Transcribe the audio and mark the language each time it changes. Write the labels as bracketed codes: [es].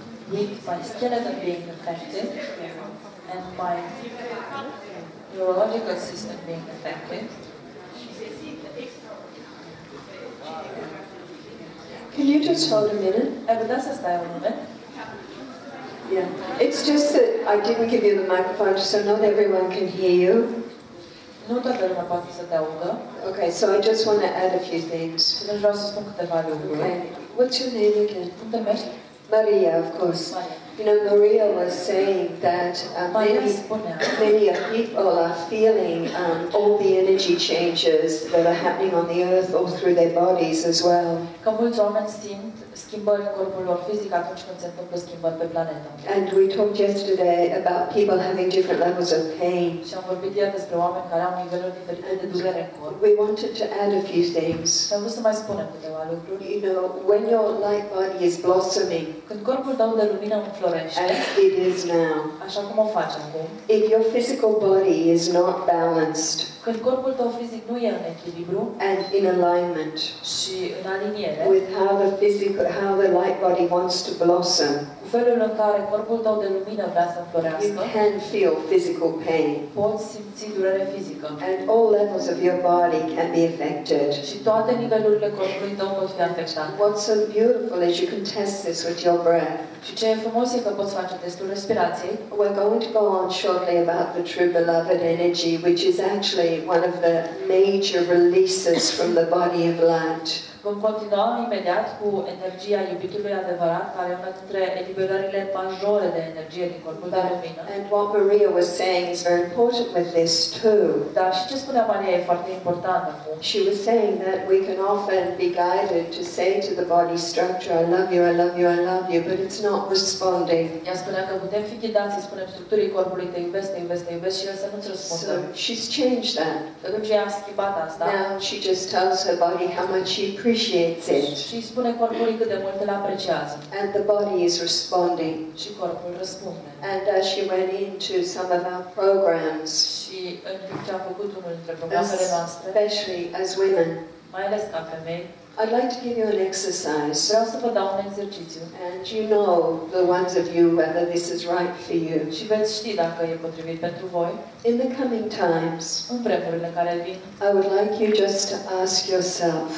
[en] With my skeleton being affected and my neurological system being affected. Can you just hold a minute? Oh, that's a style moment. Yeah. It's just that I didn't give you the microphone, so not everyone can hear you. [ro] Nu toată lumea poate să te audă. [en] Okay, so I just want to add a few things. [ro] Vreau să spun câteva lucruri. [en] Okay. What's your name again? [ro] Cum te numești? [en] Maria, of course. Maria. You know, Maria was saying that many of people are feeling all the energy changes that are happening on the earth all through their bodies as well. [ro] Că mulți oameni simt schimbări în corpul lor fizic atunci când se întâmplă schimbări pe planetă. [en] And we talked yesterday about people having different levels of pain. [ro] Și am vorbit ieri despre oameni care au niveluri diferite de durere în corp. [en] We wanted to add a few things. [ro] Am vrut să mai spunem câteva lucruri. [en] You know, when your light body is blossoming, [ro] când corpul tău de lumină înflorește, [en] as it is now, [ro] așa cum o faci acum, [en] if your physical body is not balanced, [ro] când corpul tău fizic nu e în echilibru, [en] and in alignment, [ro] și în aliniere, [en] with how the physical, how the light body wants to blossom, [ro] cu felul în care corpul tău de lumină vrea să înflorească, [en] you can feel physical pain, [ro] poți simți durere fizică, [en] and all levels of your body can be affected, [ro] și toate nivelurile corpului tău pot fi afectate. [en] What's so beautiful is you can test this with your breath. [ro] Și ce e frumos e că poți face testul respirației. [en] We're going to go on shortly about the true beloved energy, which is actually one of the major releases from the body of light. [ro] Vom continua imediat cu energia iubitului adevărat, care e una dintre eliberările majore de energie din corpul de lumină. [en] And what Maria was saying is very important with this too. [ro] Dar și ce spunea Maria e foarte important. [en] She was saying that we can often be guided to say to the body structure, I love you, I love you, I love you, but it's not responding. [ro] Ea spunea că putem fi ghidați, îi spunem structurii corpului, te iubesc, te iubesc, te iubesc, și el să nu-ți răspundă. [en] So she's changed that. [ro] Atunci ea a schimbat asta. [en] Now she just tells her body how much she appreciates it. [ro] Și spune corpului cât de mult îl apreciază. [en] And the body is responding. [ro] Și corpul răspunde. [en] And as she went into some of our programs, [ro] și în timp ce a făcut unul dintre programele noastre, [en] especially as women, [ro] mai ales ca femei, [en] I'd like to give you an exercise. [ro] Vreau să vă dau un exercițiu. [en] And you know, the ones of you, whether this is right for you. [ro] Și veți ști dacă e potrivit pentru voi. [en] In the coming times, [ro] în vremurile care vin, [en] I would like you just to ask yourself,